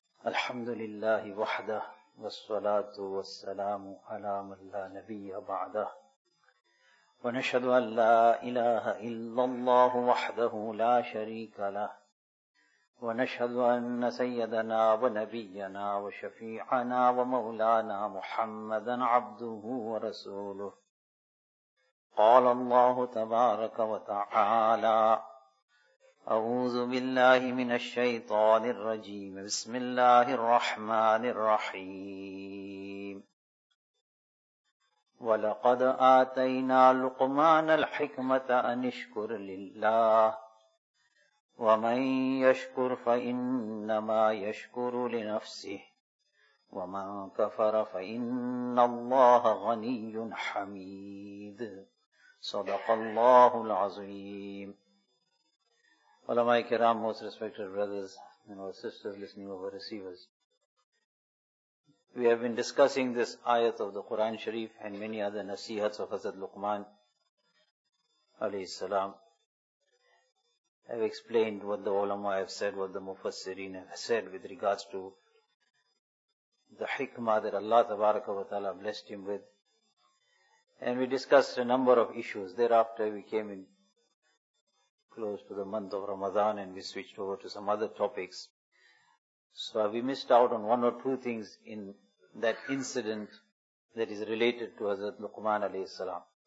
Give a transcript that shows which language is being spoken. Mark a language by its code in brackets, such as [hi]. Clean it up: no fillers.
[ar] الحمد للہ وحدہ والصلاة والسلام علی من لا نبی بعدہ، ونشہد ان لا الہ الا اللہ وحدہ لا شریک لہ، ونشہد ان سیدنا ونبینا وشفیعنا ومولانا محمدا عبدہ ورسولہ. قال الله تبارك وتعالى، أعوذ بالله من الشيطان الرجيم، بسم الله الرحمن الرحيم. ولقد آتينا لقمان الحكمة أن اشكر لله، ومن يشكر فإنما يشكر لنفسه، ومن كفر فإن الله غني حميد. صدق اللہ العظیم. [ur] علماء کرام، [en] Most respected brothers and اور sisters listening over receivers, we have been discussing this آیت of the Quran Sharif and many other نصیحت of Hazrat Luqman علیہ السلام. I have explained what the علماء have said, what the مفسرین have said with regards to the حکمہ that Allah تبارک و تعالیٰ blessed him with. And we discussed a number of issues. Thereafter, we came in close to the month of Ramadan and we switched over to some other topics. So we missed out on one or two things in that incident that is related to Hazrat Luqman alayhi salam.